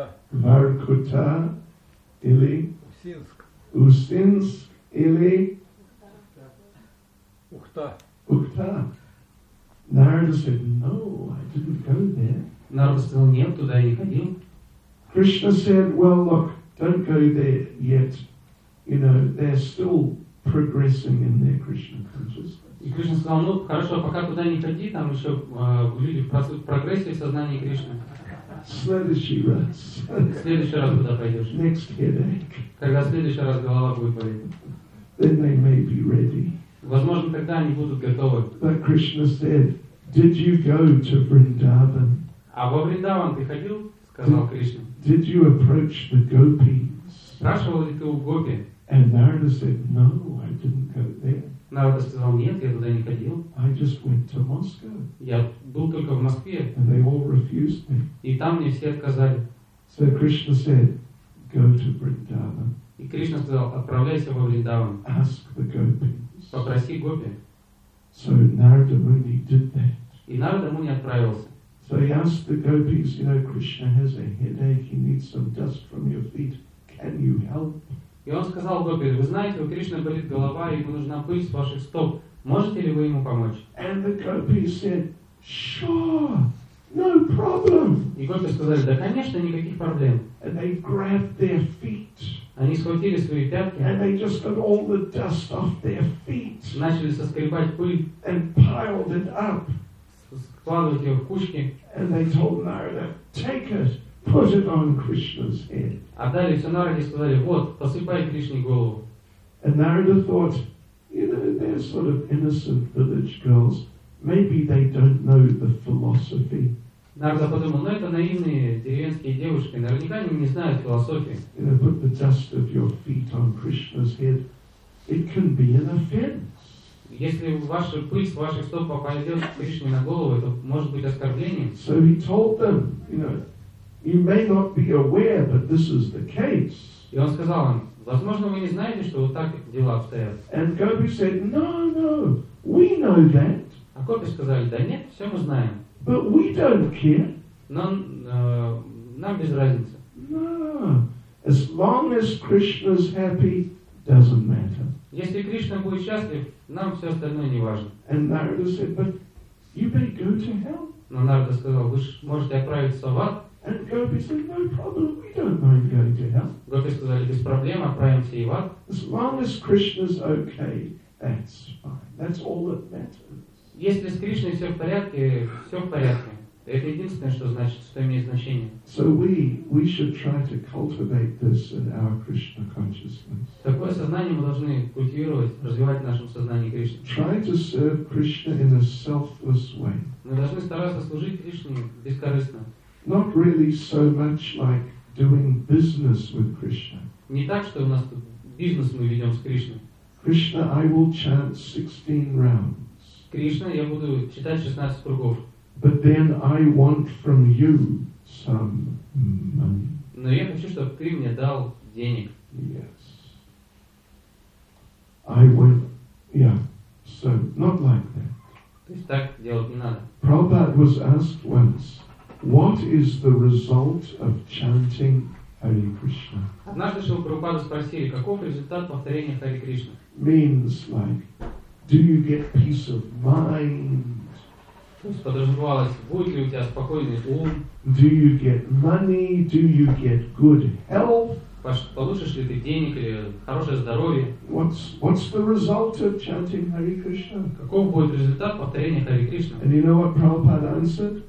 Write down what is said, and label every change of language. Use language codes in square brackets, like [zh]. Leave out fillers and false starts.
[ru] в Воркута? Или Усинск? Или Ухта? [en] Нарада said, no, I didn't go there. [ru] Нарада сказал, нет, туда я не ходил. [en] Кришна said, well, look, don't go there yet. You know, they're still progressing in their Krishna consciousness. [ru] И Кришна сказал, ну, хорошо, пока туда не ходи, там еще люди в прогрессии в сознании Кришны. В следующий раз туда пойдешь. [en] Next headache. [ru] Когда в следующий раз голова будет болеть. [en] Then they may be ready. [ru] Возможно, тогда они будут готовы. [en] But Krishna said, did you go to Vrindavan? [ru] А во Вриндаван ты ходил? Сказал Кришна. [en] Did you approach the gopis? [ru] Спрашивал ли ты у гопи? [en] And Narada said, no, I didn't go there. [ru] Народ сказал, нет, я туда не ходил. [en] I just went to Moscow. [ru] Я был только в Москве. [en] And they all refused me. [ru] И там мне все отказали. [en] So Krishna said, go to Vrindavan. [ru] И Кришна сказал, отправляйся во Вриндаван. [en] Ask the gopis. [ru] Попроси гопи. [en] So Narada Muni did that. [ru] И Нарада Муни отправился. [en] So he asked the gopis, you know, Krishna has a headache, he needs some dust from your feet. Can you help? [ru] И он сказал гопи, вы знаете, у Кришны болит голова, и ему нужна пыль с ваших стоп. Можете ли вы ему помочь? [en] And the gopi said, sure, no problem. [ru] И гопи сказали, да, конечно, никаких проблем. [en] And they grabbed their feet. [ru] Они схватили свои пятки. [en] And they just got all the dust off their feet. [ru] Начали соскребать пыль. [en] And piled it up. [ru] Складывать ее в кучки. [en] And they told Narada, take it. Put it on Krishna's head. [ru] Отдали все Нараде и сказали, вот, посыпай Кришне голову. [en] And Narada thought, you know, they're sort of innocent village girls. Maybe they don't know the philosophy. [ru] Нарада подумал, ну это наивные деревенские девушки, наверняка они не знают философии. [en] You know, put the dust of your feet on Krishna's head. it can be an offense. [ru] Если ваша пыль с ваших стоп попадет Кришне на голову, это может быть оскорблением. [en] So he told them, you know, you may not be aware, but this is the case. [ru] И он сказал им, возможно, вы не знаете, что вот так дела обстоят. [en] And Gopi said, no, no, we know that. [ru] А Гопи сказали, да нет, все мы знаем. [en] But we don't care. [ru] Но нам без разницы. [en] No, as long as Krishna's happy, doesn't matter. [ru] Если Кришна будет счастлив, нам все остальное не важно. [en] And Narada said, but you may go to hell. [ru] Но Нарада сказал, вы можете отправиться в ад. [en] And Gopi said, no problem, we don't mind going to hell. [ru] Гопи сказали, без проблем, отправимся и в ад. [en] As long as Krishna's okay, that's fine. That's all that matters. [ru] Если с Кришной все в порядке, все в порядке. Это единственное, что значит, что имеет значение. [en] So we should try to cultivate this in our Krishna consciousness. [ru] Такое сознание мы должны культивировать, развивать в нашем сознании Кришны. [en] Try to serve Krishna in a selfless way. [ru] Мы должны стараться служить Кришне бескорыстно. [en] Not really so much like doing business with Krishna. [ru] Не так, что у нас тут бизнес мы ведем с Кришной. [en] Krishna, I will chant 16 rounds. [ru] Кришна, я буду читать 16 кругов. [en] But then I want from you some money. [ru] Но я хочу, чтобы ты мне дал денег. [en] Yes. I will. Yeah. So not like that. [ru] То есть так делать не надо. [en] Prabhupada was asked once, "What is the result of chanting Hare Krishna?" [ru] Однажды у Прабхупады спросили, каков результат повторения Хари Кришна. [en] Means like, do you get peace of mind? [ru] То есть подразумевалось, будет ли у тебя спокойный ум? [en] Do you get money? Do you get good health? [ru] Получишь ли ты денег или хорошее здоровье? [en] What's the result of chanting Hare Krishna? [ru] Каков будет результат повторения Хари Кришна? [en] And you know what Prabhupada answered?